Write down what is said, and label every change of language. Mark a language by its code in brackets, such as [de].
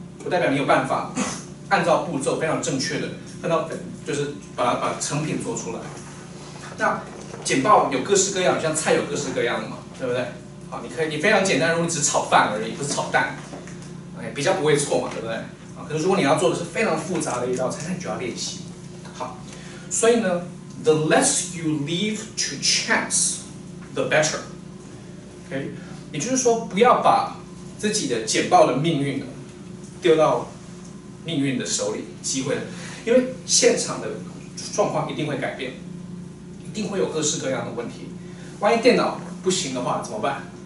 [zh] 不代表你有办法按照步骤非常正确的看到，就是把成品做出来。那简报有各式各样，像菜有各式各样的嘛，对不对？好，你可以，你非常简单，如果你只炒饭而已，不是炒蛋，哎，比较不会错嘛，对不对？啊，可是如果你要做的是非常复杂的一道菜，那你就要练习。好，所以呢？ [en] The less you leave to chance, the better. [zh] Okay, 也就是说，不要把自己的简报的命运丢到命运的手里，机会，因为现场的状况一定会改变，一定会有各式各样的问题。万一电脑不行的话怎么办？